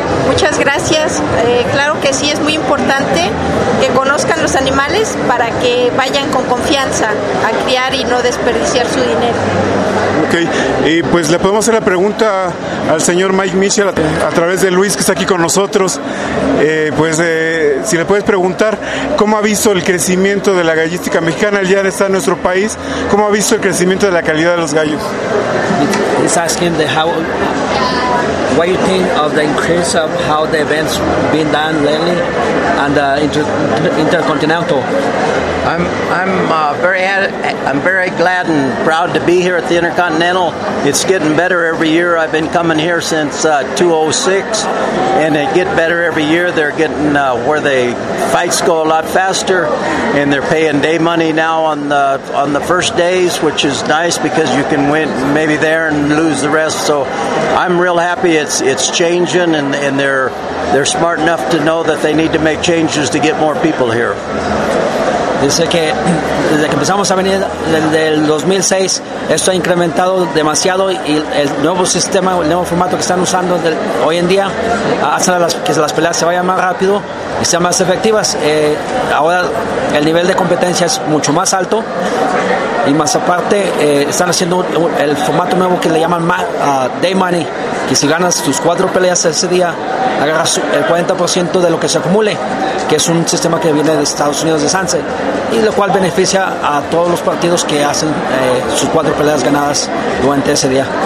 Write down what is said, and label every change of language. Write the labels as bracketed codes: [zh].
[es] Muchas gracias, claro que sí, es muy importante que conozcan los animales para que vayan con confianza a criar y no desperdiciar su dinero. Ok, y pues le podemos hacer la pregunta al señor Mike Mitchell a través de Luis, que está aquí con nosotros. Si le puedes preguntar, ¿cómo ha visto el crecimiento de la gallística mexicana? Ya está en nuestro país, ¿cómo ha visto el crecimiento de la calidad de los gallos? [en] He's asking what you think of the increase of how the events been done lately and the intercontinental. I'm very glad and proud to be here at the Intercontinental. It's getting better every year. I've been coming here since 2006, and it get better every year. They're getting where the fights go a lot faster, and they're paying day money now on the first days, which is nice because you can win maybe there and lose the rest. So I'm real happy. It's changing, and they're smart enough to know that they need to make changes to get more people here. [es] Dice que desde que empezamos a venir desde el 2006 esto ha incrementado demasiado, y el nuevo sistema, el nuevo formato que están usando hoy en día hace que las peleas se vayan más rápido, sean más efectivas. Ahora el nivel de competencia es mucho más alto, y más aparte están haciendo el formato nuevo que le llaman Day Money, que si ganas tus 4 peleas ese día, agarras el 40% de lo que se acumule, que es un sistema que viene de Estados Unidos, de Sanse, y lo cual beneficia a todos los partidos que hacen sus 4 peleas ganadas durante ese día.